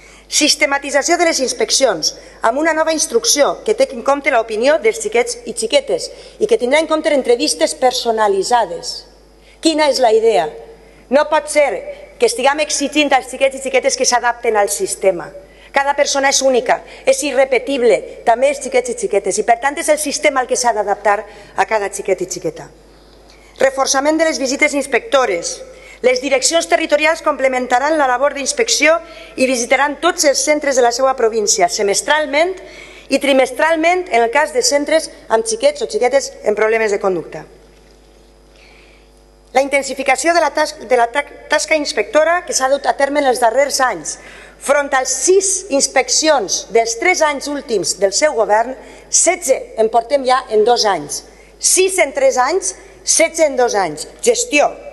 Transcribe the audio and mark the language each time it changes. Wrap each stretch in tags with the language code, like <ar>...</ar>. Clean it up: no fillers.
<ca>Sistematització de les inspeccions amb una nova instrucció que té en compte l'opinió dels xiquets i xiquetes i que tindrà en compte entrevistes personalitzades. Quina és la idea? No pot ser que estiguem exigint als xiquets i xiquetes que s'adapten al sistema.</ca> <es>Cada persona es única, es irrepetible, también es chiquet y chiquetes, y por tanto es el sistema al que se ha de adaptar a cada chiquet y chiqueta. Reforzamiento de las visitas inspectores. Las direcciones territoriales complementarán la labor de inspección y visitarán todos los centros</es> <ca>de la seva</ca> <es>provincia, semestralmente y trimestralmente en el caso de centros amb chiquets o chiquetes en problemas de conducta.</es> <ca>La intensificación de la tasca inspectora que s'ha dut a terme en els darrers anys. Front a 6 inspeccions dels 3 anys últims del seu govern, 16 en portem ja en 2 anys. 6 en 3 anys, 16 en 2 anys. Gestió.</ca>